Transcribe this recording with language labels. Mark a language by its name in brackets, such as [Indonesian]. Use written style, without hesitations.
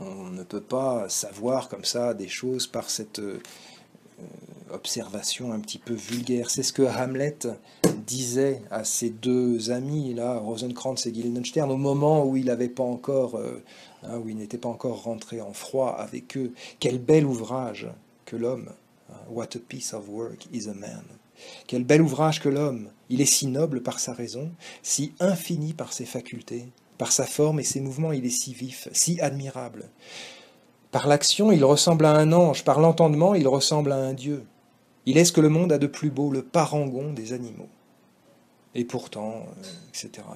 [French] On ne peut pas savoir comme ça des choses par cette observation un petit peu vulgaire. C'est ce que Hamlet disait à ses deux amis, là, Rosencrantz et Guildenstern, au moment où il n'avait pas encore, hein, où il n'était pas encore rentré en froid avec eux. Quel bel ouvrage que l'homme. [English] What a piece of work is a man. [French] Quel bel ouvrage que l'homme. Il est si noble par sa raison, si infini par ses facultés, par sa forme et ses mouvements, il est si vif, si admirable. Par l'action, il ressemble à un ange, par l'entendement, il ressemble à un dieu. Il est ce que le monde a de plus beau, le parangon des animaux. Et pourtant, etc.